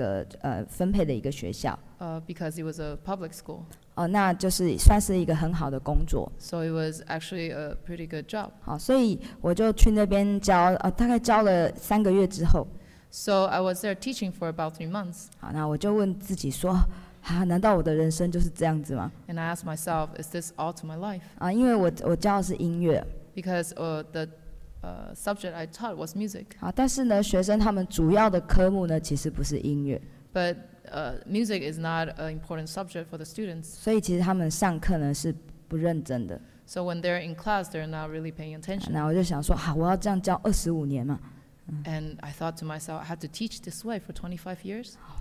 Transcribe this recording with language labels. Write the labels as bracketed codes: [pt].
[zh] 好，那因为那个是公费的一个这个分配的一个学校。 [en] Because it was a public school. [zh] 那就是算是一个很好的工作。 [en] So it was actually a pretty good job. [zh] 好，所以我就去那边教，大概教了三个月之后。 [en] So I was there teaching for about 3 months. [zh] 好，那我就问自己说。难道我的人生就是这样子吗？ [en] And I asked myself, is this all to my life? [zh] 因为我教的是音乐。 [en] Because the subject I taught was music. [zh] 但是呢，学生他们主要的科目呢，其实不是音乐。 [en] But music is not an important subject for the students. [zh] 所以其实他们上课呢，是不认真的。 [en] So when they're in class, they're not really paying attention. [zh] 那我就想说，好，我要这样教25年嘛。 [en] And I thought to myself, I had to teach this way for 25 years.